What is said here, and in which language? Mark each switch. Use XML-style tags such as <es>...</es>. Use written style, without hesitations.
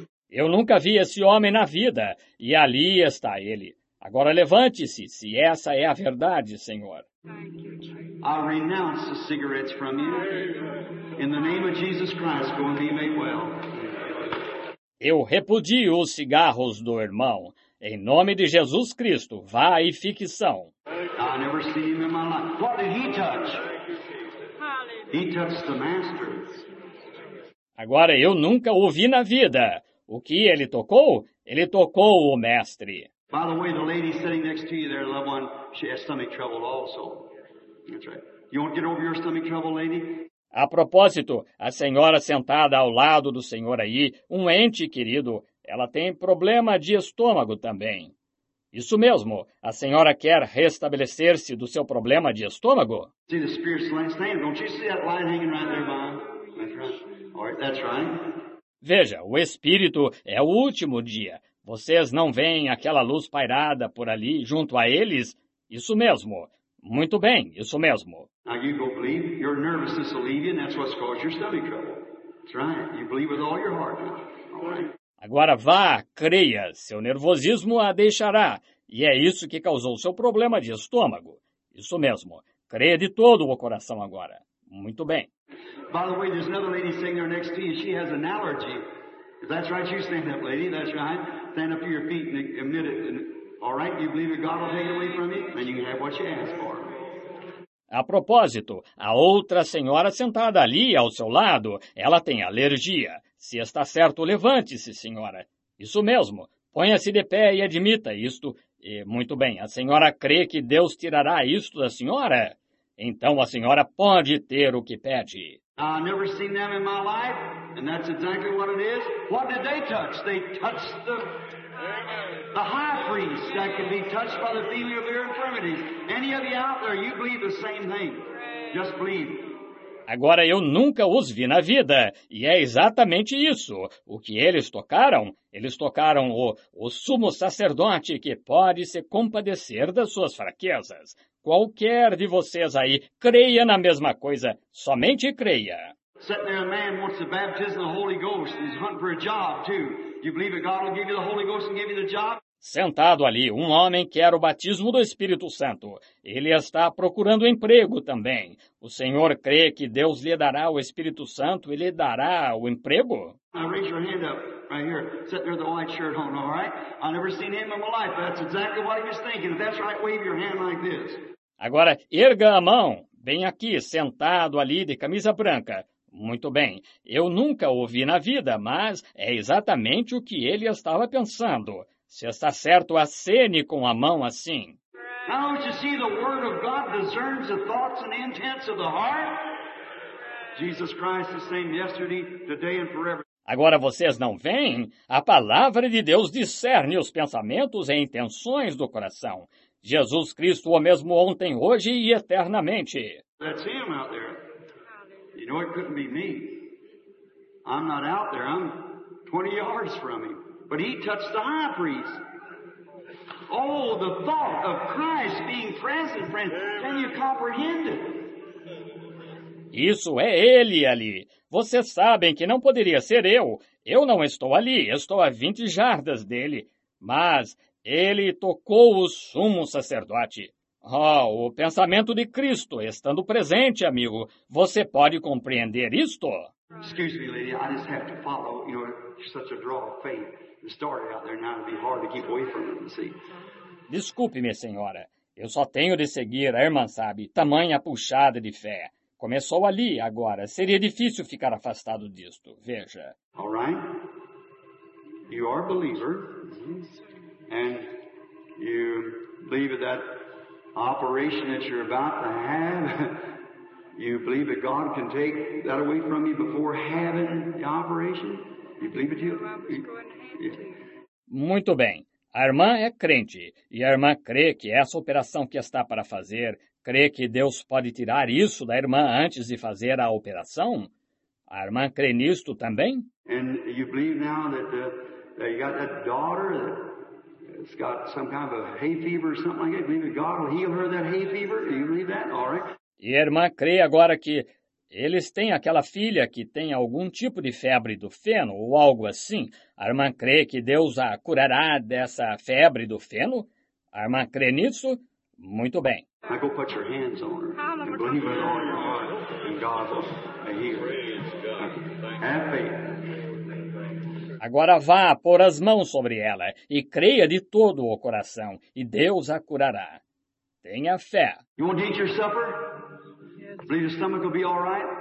<pt>Eu nunca vi esse homem na vida, e ali está ele. Agora levante-se, se essa é a verdade, senhor.</pt> <en>I renounce the cigarettes from you. In the name of Jesus Christ, go and be made well.</en> <pt>Eu repudio os cigarros do irmão. Em nome de Jesus Cristo, vá e fique são.</pt> <en>I never seen him in my life. What did he touch? He touched the master.</en> <pt>Agora eu nunca o vi na vida. O que ele tocou? Ele tocou o mestre.</pt> <en>By the way, the lady sitting next to you there, loved one, she has stomach trouble also. That's right. You want to get over your stomach trouble, lady?</en> <pt>A propósito, a senhora sentada ao lado do senhor aí, um ente querido, ela tem problema de estômago também. Isso mesmo. A senhora quer restabelecer-se do seu problema de estômago?</pt> <en>See the spirit's line stand? Don't you see that line hanging right there, Bob? That's right.</en> <pt>Veja, o espírito é o último dia. Vocês não veem aquela luz pairada por ali junto a eles? Isso mesmo. Muito bem, isso mesmo.</pt> <en>Now you go believe your nervousness will leave you, and that's what's caused your stomach trouble. That's right. You believe with all your heart. All right.</en> <pt>Agora vá, creia, seu nervosismo a deixará, e é isso que causou seu problema de estômago. Isso mesmo, creia de todo o coração agora. Muito bem.</pt> <en>By the way, there's another lady sitting there next to you, she has an allergy. If that's right, you stand up, lady, that's right. Stand up to your feet and admit it. All right, you believe that God will take it away from you? Then you can have what you ask for.</en> <pt>A propósito, a outra senhora sentada ali ao seu lado, ela tem alergia. Se está certo, levante-se, senhora. Isso mesmo. Ponha-se de pé e admita isto. E, muito bem, a senhora crê que Deus tirará isto da senhora? Então a senhora pode ter o que pede.</pt> <en>Never seen them in my life, and that's exactly what it is. What did they touch? They touched the high priest that can be touched by the feeling of your infirmities. Any of you out there, you believe the same thing. Just believe.</en> <pt>Agora, eu nunca os vi na vida, e é exatamente isso. O que eles tocaram o sumo sacerdote que pode se compadecer das suas fraquezas. Qualquer de vocês aí, creia na mesma coisa, somente creia.</pt> <en>Sitting there, a man wants the baptism of the Holy Ghost. He's hunting for a job, too. You believe that God will give you the Holy Ghost and give you the job?</en> <pt>Sentado ali, um homem quer o batismo do Espírito Santo. Ele está procurando emprego também. O senhor crê que Deus lhe dará o Espírito Santo e lhe dará o emprego?</pt> <en>Now raise your hand up right here. Sit there with the white shirt on, all right? I've never seen him in my life, but that's exactly what he was thinking. If that's right, wave your hand like this.</en> <pt>Agora, erga a mão. Bem aqui, sentado ali de camisa branca. Muito bem, eu nunca o vi na vida, mas é exatamente o que ele estava pensando. Se está certo, acene com a mão assim.</pt> <en>Now, don't you see the word of God discerns the thoughts and intents of the heart? Jesus Christ is same yesterday, today and forever.</en> <pt>Agora vocês não veem? A palavra de Deus discerne os pensamentos e intenções do coração. Jesus Cristo o mesmo ontem, hoje e eternamente.</pt> <en>That's him out there. You know, it couldn't be me. I'm not out there. I'm 20 yards from him. But he touched the high priest. Oh, the thought of Christ being present, friend. Can you comprehend it?</en> <pt>Isso é ele ali. Vocês sabem que não poderia ser eu. Eu não estou ali. Estou a 20 jardas dele. Mas ele tocou o sumo sacerdote. Oh, o pensamento de Cristo estando presente, amigo. Você pode compreender isto?</pt> <en>Excuse me, lady. I just have to follow, you know, such a draw of faith. The story out there now would be hard to keep away from it, you see.</en> <pt>Desculpe-me, senhora. Eu só tenho de seguir a irmã, sabe, tamanha puxada de fé. Começou ali, agora. Seria difícil ficar afastado disto. Veja.</pt> <en>All right. You are a believer. And you believe that operation that you're about to have, you believe that God can take that away from you before having the operation? You believe it?</en> <pt>Muito bem. A irmã é crente, e a irmã crê que essa operação que está para fazer, crê que Deus pode tirar isso da irmã antes de fazer a operação? A irmã crê nisto também?</pt> <en>And you believe now that that you got that daughter that it's got some kind of a hay fever or something like that. Believe that God will heal her of that hay fever? Do you believe that? All right.</en> <pt>E a irmã crê agora que eles têm aquela filha que tem algum tipo de febre do feno ou algo assim. A irmã crê que Deus a curará dessa febre do feno? A irmã crê nisso? Muito bem.</pt> <en>I go put your hands on her. And believe it on your heart. And God will heal her. Have faith.</en> <pt>Agora vá pôr as mãos sobre ela e creia de todo o coração, e Deus a curará. Tenha fé.</pt> <en>You want to eat your supper? Yes. Believe your stomach will be all right?</en>